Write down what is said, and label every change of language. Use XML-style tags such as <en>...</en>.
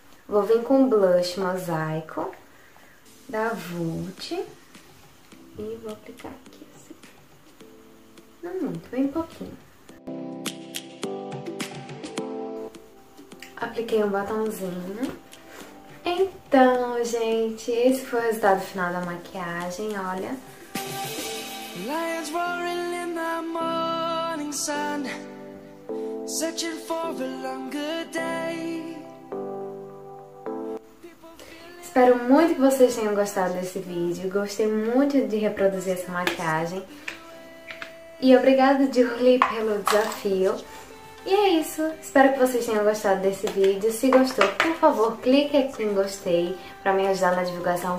<pt>Vou vir com blush mosaico da Vult e vou aplicar aqui assim. Não muito, bem pouquinho. Apliquei um batomzinho. Então, gente, esse foi o resultado final da maquiagem, olha.</pt> <en>Lions roaring in the morning sun, searching for a longer day.</en> <pt>Espero muito que vocês tenham gostado desse vídeo. Gostei muito de reproduzir essa maquiagem. E obrigada, Julie, pelo desafio. E é isso. Espero que vocês tenham gostado desse vídeo. Se gostou, por favor, clique aqui em gostei para me ajudar na divulgação.</pt>